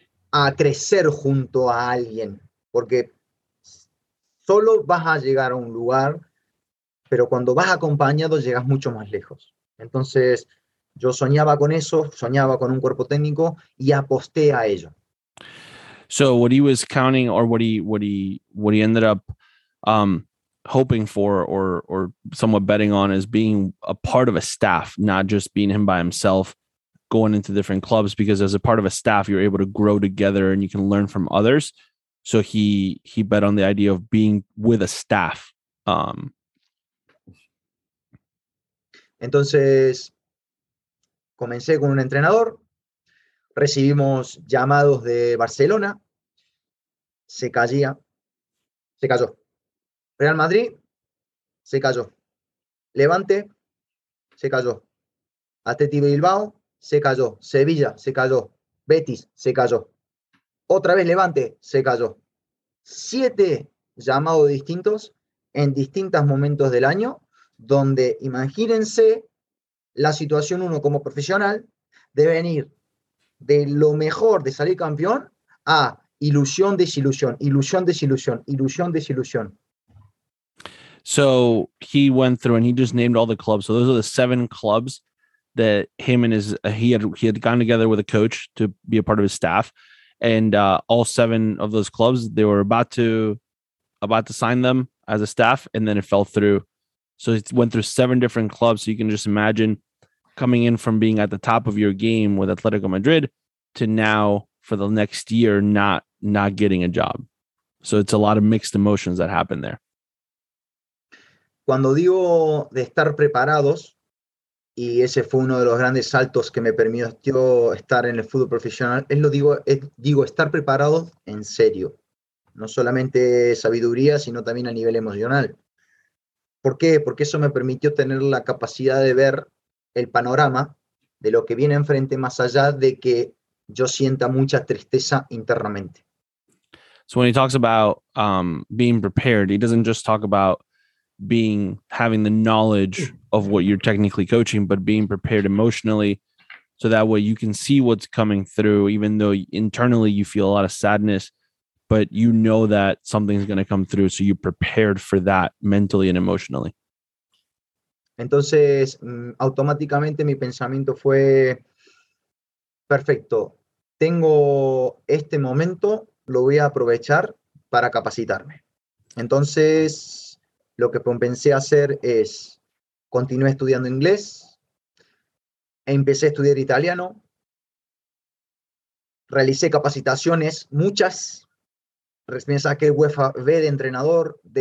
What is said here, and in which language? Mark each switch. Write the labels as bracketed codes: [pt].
[es] a crecer junto a alguien, porque solo vas a llegar a un lugar, pero cuando vas acompañado llegas mucho más lejos. Entonces, yo soñaba con eso, soñaba con un cuerpo técnico y aposté a ello. [en] So what he was counting, or what he ended up hoping for or somewhat betting on, is being a part of a staff, not just being him by himself going into different clubs, because as a part of a staff you're able to grow together and you can learn from others. So he bet on the idea of being with a staff. [es] Entonces comencé con un entrenador, recibimos llamados de Barcelona, se cayó. Real Madrid, se cayó. Levante, se cayó. Athletic Bilbao, se cayó. Sevilla, se cayó. Betis, se cayó. Otra vez Levante, se cayó. 7 llamados distintos en distintos momentos del año, donde imagínense la situación uno como profesional de venir de lo mejor, de salir campeón, a ilusión, desilusión, ilusión, desilusión, ilusión, desilusión. [en] So he went through and he just named all the clubs. So those are the 7 clubs that him and he had gone together with a coach to be a part of his staff. And all 7 of those clubs, they were about to sign them as a staff, and then it fell through. So it went through 7 different clubs. So you can just imagine coming in from being at the top of your game with Atletico Madrid to now for the next year not getting a job. So it's a lot of mixed emotions that happened there. [es] Cuando digo de estar preparados, y ese fue uno de los grandes saltos que me permitió estar en el fútbol profesional, digo estar preparados en serio. No solamente sabiduría, sino también a nivel emocional. ¿Por qué? Porque eso me permitió tener la capacidad de ver el panorama de lo que viene enfrente, más allá de que yo sienta mucha tristeza internamente. [en] So when he talks about being prepared, he doesn't just talk about having the knowledge of what you're technically coaching, but being prepared emotionally, so that way you can see what's coming through, even though internally you feel a lot of sadness, but you know that something's going to come through, so you're prepared for that mentally and emotionally. [es] Entonces, automáticamente mi pensamiento fue perfecto. Tengo este momento, lo voy a aprovechar para capacitarme. Entonces, lo que pensé hacer es continué estudiando inglés, empecé a estudiar italiano, realicé capacitaciones, muchas, me saqué UEFA B de entrenador,